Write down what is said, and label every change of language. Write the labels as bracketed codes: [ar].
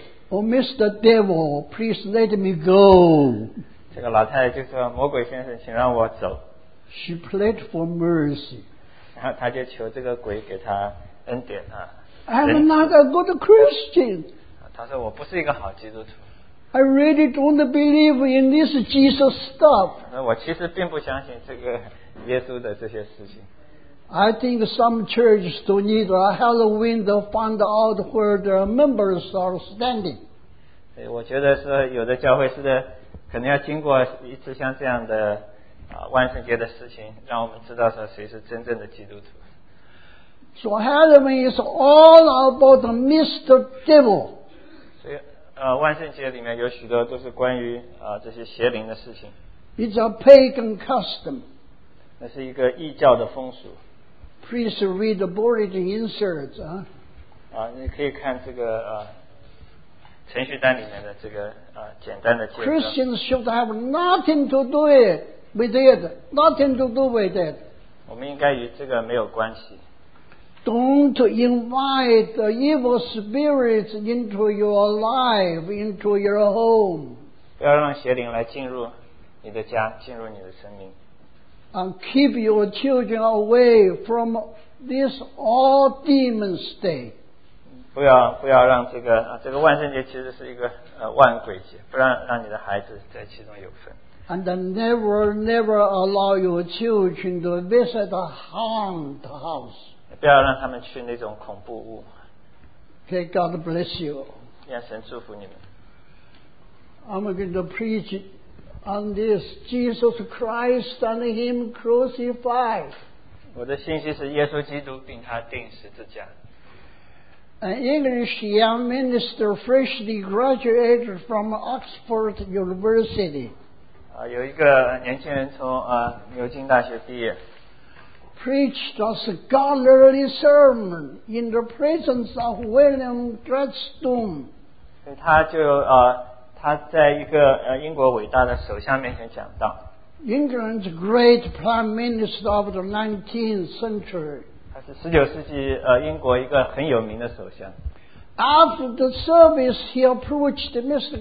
[en] Oh, Mr. Devil, please let me go. [zh] 这个老太太就说，魔鬼先生，请让我走。 [en] She prayed for mercy. [zh] 然后她就求这个鬼给她恩典啊。 [en] I'm not a good Christian. [zh] 她说，我不是一个好基督徒。 [en] I really don't believe in this Jesus stuff. [zh] 那我其实并不相信这个耶稣的这些事情。 [en] I think some churches don't need a Halloween to find out where their members are standing. [zh] 我觉得是有的教会是的，肯定要经过一次像这样的万圣节的事情，让我们知道说谁是真正的基督徒。 [en] So Halloween is all about Mr. Devil. [zh] 所以万圣节里面有许多都是关于这些邪灵的事情。 [en] It's a pagan custom. [zh] 那是一个异教的风俗。 [en] Please read the bulletin insert. [zh] 你可以看这个程序单里面的这个简单的介绍。 [en] Christians should have nothing to do with it. Nothing to do with it. [zh] 我们应该与这个没有关系。 [en] Don't invite the evil spirits into your life, into your home. [zh] 不要让邪灵来进入你的家，进入你的生命。 [en] And keep your children away from this all demons day. [zh] 不要让这个万圣节其实是一个万鬼节，不让让你的孩子在其中有份。 [en] And never allow your children to visit the haunt house. [zh] 不要让他们去那种恐怖屋。 [en] Okay, God bless you. [zh] 愿神祝福你们。 [en] I'm going to preach. On this, Jesus Christ and Him crucified. [zh] 我的信息是耶稣基督并他钉十字架。 [en] An English young minister freshly graduated from Oxford University. [zh] 有一个年轻人从牛津大学毕业。 [en] Preached a scholarly sermon in the presence of William Gladstone. [zh] 他就他在一个英国伟大的首相面前讲道。 [en] England's great prime minister of the 19th century. [zh] 他是十九世纪英国一个很有名的首相。 [en] After the service, he approached Mr.